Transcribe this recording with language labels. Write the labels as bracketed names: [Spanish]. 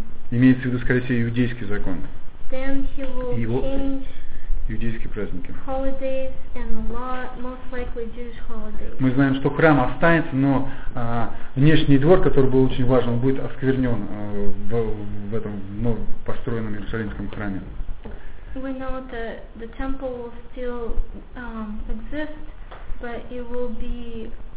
[Russian] Имеется в виду, скорее всего, иудейский закон. [English] Then he will [Russian] его [English] change [Russian] иудейские праздники. [English] Holidays and the law, most likely Jewish holidays. [Russian] Мы знаем, что храм останется, но внешний двор, который был очень важен, он будет осквернен в этом построенном Иерусалимском храме. [English] We know that the temple will still exist, but it will be